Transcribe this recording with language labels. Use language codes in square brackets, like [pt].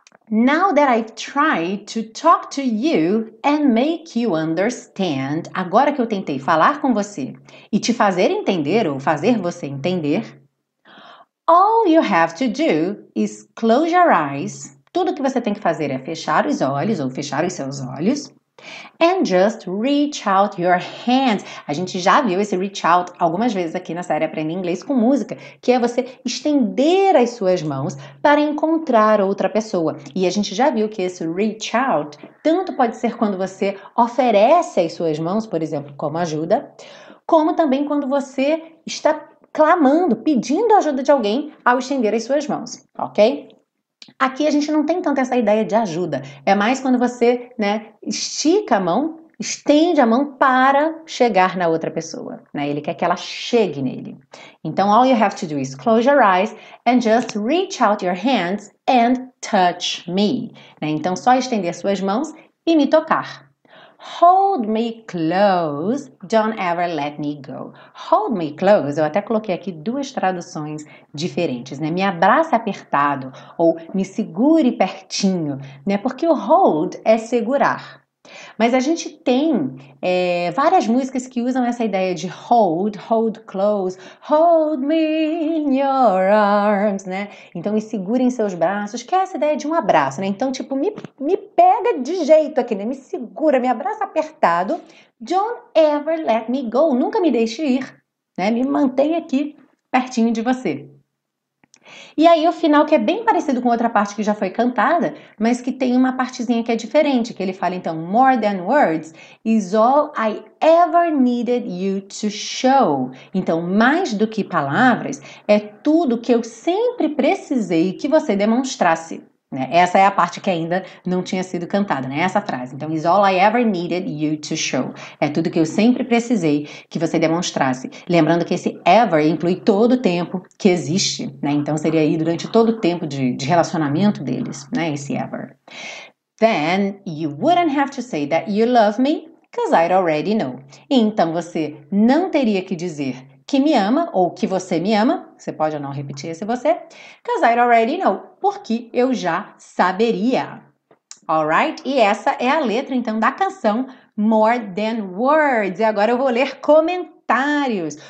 [en] Now that I've tried to talk to you and make you understand, agora que eu tentei falar com você e te fazer entender ou fazer você entender, all you have to do is close your eyes. [pt] Tudo que você tem que fazer é fechar os olhos ou fechar os seus olhos. [en] And just reach out your hands. [pt] A gente já viu esse reach out algumas vezes aqui na série Aprenda Inglês com Música, que é você estender as suas mãos para encontrar outra pessoa. E a gente já viu que esse reach out tanto pode ser quando você oferece as suas mãos, por exemplo, como ajuda, como também quando você está clamando, pedindo ajuda de alguém ao estender as suas mãos, ok? Aqui a gente não tem tanto essa ideia de ajuda. É mais quando você, né, estica a mão, estende a mão para chegar na outra pessoa, né? Ele quer que ela chegue nele. [en] Então, all you have to do is close your eyes and just reach out your hands and touch me. [pt] Né? Então, só estender suas mãos e me tocar. [en] Hold me close, don't ever let me go. [pt] Hold me close, eu até coloquei aqui duas traduções diferentes, né? Me abraça apertado ou me segure pertinho, né? Porque o hold é segurar. Mas a gente tem várias músicas que usam essa ideia de hold, hold close, hold me in your arms, né? Então me segure em seus braços, que é essa ideia de um abraço, né? Então, tipo, me pega de jeito aqui, né? Me segura, me abraça apertado. Don't ever let me go, nunca me deixe ir, né? Me mantém aqui pertinho de você. E aí o final, que é bem parecido com outra parte que já foi cantada, mas que tem uma partezinha que é diferente, que ele fala, então, more than words is all I ever needed you to show. Então, mais do que palavras, é tudo que eu sempre precisei que você demonstrasse. Né? Essa é a parte que ainda não tinha sido cantada, né? Essa frase. [en] Então, is all I ever needed you to show. [pt] É tudo que eu sempre precisei que você demonstrasse. Lembrando que esse ever inclui todo o tempo que existe, né? Então, seria aí durante todo o tempo de relacionamento deles, né? Esse ever. [en] Then, you wouldn't have to say that you love me, because I already know. [pt] Então, você não teria que dizer que me ama, ou que você me ama, você pode ou não repetir esse você, because I already know, porque eu já saberia. Alright? E essa é a letra, então, da canção More Than Words. E agora eu vou ler comentários.